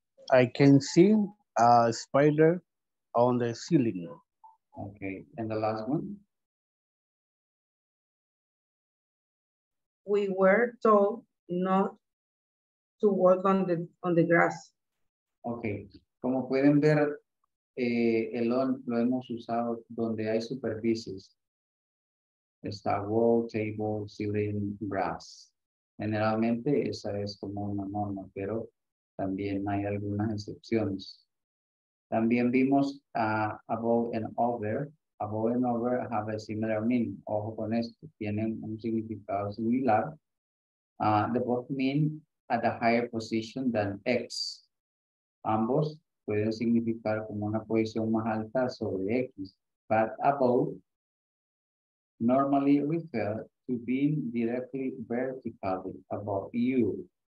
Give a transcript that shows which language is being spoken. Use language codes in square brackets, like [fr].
[en] I can see a spider on the ceiling. Okay, and the last one. We were told not to walk on the grass. Okay. [es] Como pueden ver, el on lo hemos usado donde hay superficies. Está [en] wall, table, ceiling, grass. [es] Generalmente esa es como una norma, pero también hay algunas excepciones. También vimos [en] above and over. Above and over have a similar meaning. [es] Ojo con esto. Tienen un significado similar. [en] They both mean at a higher position than X. [es] Ambos pueden significar como una posición más alta sobre X. [en] But above normally refer to being directly vertically above you.